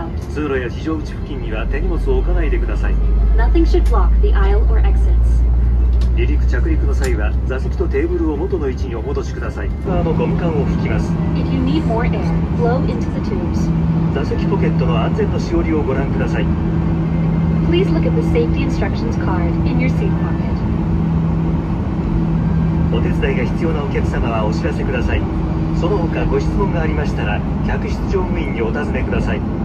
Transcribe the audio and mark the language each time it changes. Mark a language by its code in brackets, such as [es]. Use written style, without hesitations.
[ja] 通路や非常口付近には手荷物を置かないでください。 [en] Nothing should block the aisle or exits. [ja] 離陸着陸の際は座席とテーブルを元の位置にお戻しください。ドアのゴム管を吹きます。 [en] If you need more air, blow into the tubes. [ja] 座席ポケットの安全のしおりをご覧ください。 [en] Please look at the safety instructions card in your seat pocket. [ja] お手伝いが必要なお客様はお知らせください。その他ご質問がありましたら客室乗務員にお尋ねください。